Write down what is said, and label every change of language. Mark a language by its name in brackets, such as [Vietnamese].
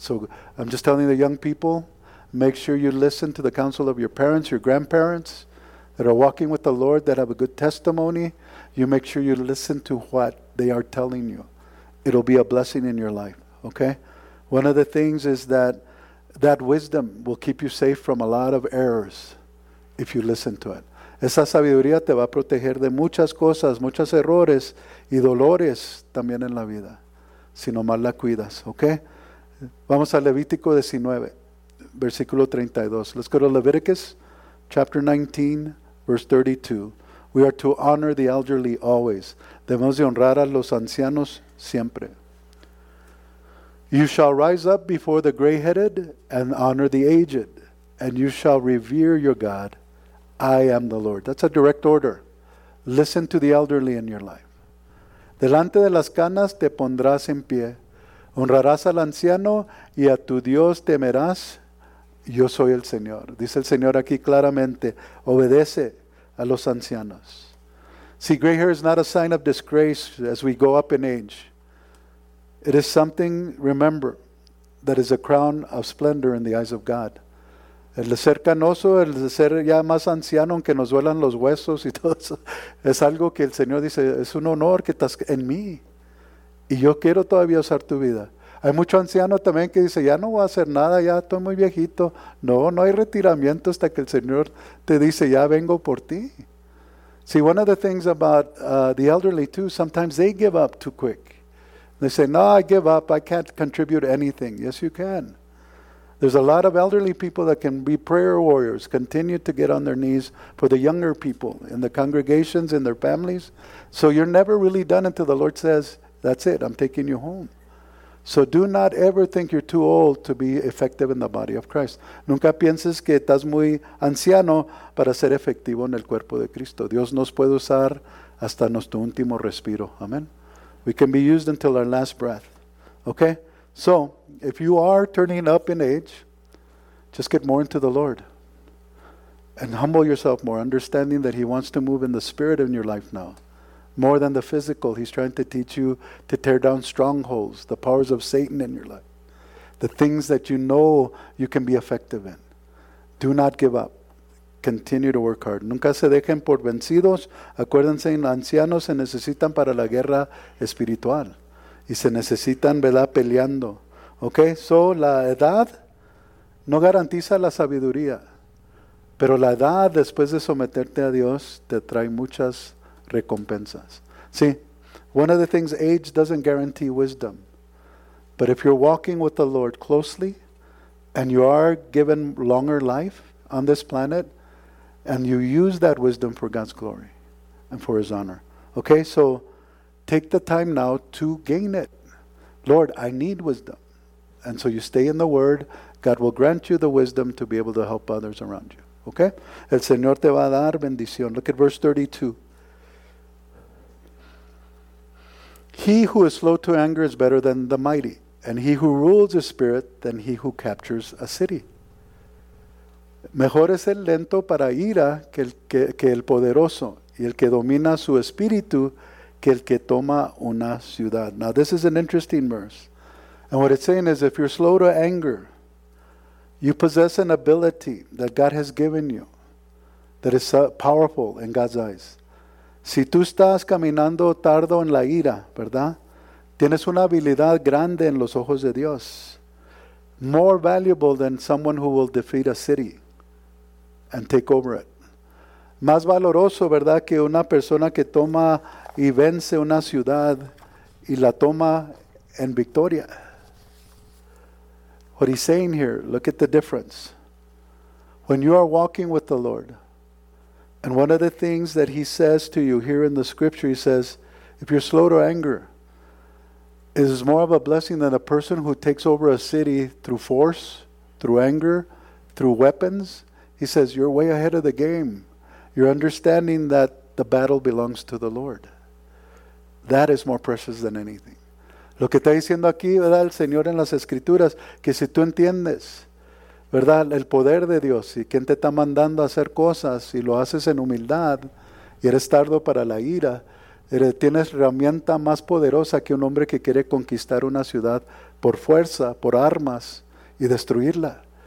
[English] So I'm just telling the young people, make sure you listen to the counsel of your parents, your grandparents that are walking with the Lord, that have a good testimony. You make sure you listen to what they are telling you. It'll be a blessing in your life, okay? One of the things is that wisdom will keep you safe from a lot of errors if you listen to it. [Spanish] Esa sabiduría te va a proteger de muchas cosas, muchos errores y dolores también en la vida, si nomás la cuidas, okay? Vamos a Levítico 19. Versículo 32. [English] Let's go to Leviticus chapter 19, verse 32. We are to honor the elderly always. [Spanish] Debemos de honrar a los ancianos siempre. [English] You shall rise up before the gray-headed and honor the aged, and you shall revere your God. I am the Lord. That's a direct order. Listen to the elderly in your life. [Spanish] Delante de las canas te pondrás en pie. Honrarás al anciano y a tu Dios temerás. Yo soy el Señor. Dice el Señor aquí claramente, obedece a los ancianos. [English] See, gray hair is not a sign of disgrace as we go up in age. It is something, remember, that is a crown of splendor in the eyes of God. [Spanish] El de ser canoso, el de ser ya más anciano, aunque nos duelan los huesos y todo eso, es algo que el Señor dice, es un honor que estás en mí. Y yo quiero todavía usar tu vida. Hay mucho anciano también que dice, ya no voy a hacer nada, ya estoy muy viejito. No, no hay retiramiento hasta que el Señor te dice, ya vengo por ti. [English] See, one of the things about the elderly too, sometimes they give up too quick. They say, no, I give up, I can't contribute anything. Yes, you can. There's a lot of elderly people that can be prayer warriors, continue to get on their knees for the younger people in the congregations, in their families. So you're never really done until the Lord says, that's it, I'm taking you home. So do not ever think you're too old to be effective in the body of Christ. [Spanish] Nunca pienses que estás muy anciano para ser efectivo en el cuerpo de Cristo. Dios nos puede usar hasta nuestro último respiro. [English] Amen. We can be used until our last breath. Okay? So, if you are turning up in age, just get more into the Lord. And humble yourself more, understanding that He wants to move in the spirit in your life now. More than the physical, He's trying to teach you to tear down strongholds, the powers of Satan in your life. The things that you know you can be effective in. Do not give up. Continue to work hard. [Spanish] Nunca se dejen por vencidos. Acuérdense, ancianos se necesitan para la guerra espiritual. Y se necesitan, ¿verdad?, peleando. Okay, so la edad no garantiza la sabiduría. Pero la edad, después de someterte a Dios, te trae muchas recompensas. [English] See, one of the things, age doesn't guarantee wisdom. But if you're walking with the Lord closely, and you are given longer life on this planet, and you use that wisdom for God's glory and for His honor. Okay, so take the time now to gain it. Lord, I need wisdom. And so you stay in the Word. God will grant you the wisdom to be able to help others around you. Okay? [Spanish] El Señor te va a dar bendición. [English] Look at verse 32. He who is slow to anger is better than the mighty, and he who rules his spirit than he who captures a city. [Spanish] Mejor es el lento para ira que el poderoso, y el que domina su espíritu que el que toma una ciudad. [English] Now this is an interesting verse. And what it's saying is, if you're slow to anger, you possess an ability that God has given you that is powerful in God's eyes. [Spanish] Si tú estás caminando tardo en la ira, ¿verdad? Tienes una habilidad grande en los ojos de Dios. [English] More valuable than someone who will defeat a city and take over it. [Spanish] Más valoroso, ¿verdad?, que una persona que toma y vence una ciudad y la toma en victoria. [English] What he's saying here, look at the difference. When you are walking with the Lord, and one of the things that He says to you here in the scripture, He says, if you're slow to anger, it is more of a blessing than a person who takes over a city through force, through anger, through weapons. He says, you're way ahead of the game. You're understanding that the battle belongs to the Lord. That is more precious than anything. [Spanish] Lo que está diciendo aquí, ¿verdad?, el Señor en las Escrituras, que si tú entiendes, ¿verdad?, el poder de Dios y quién te está mandando a hacer cosas y lo haces en humildad y eres tardo para la ira, eres, tienes herramienta más poderosa que un hombre que quiere conquistar una ciudad por fuerza, por armas y destruirla.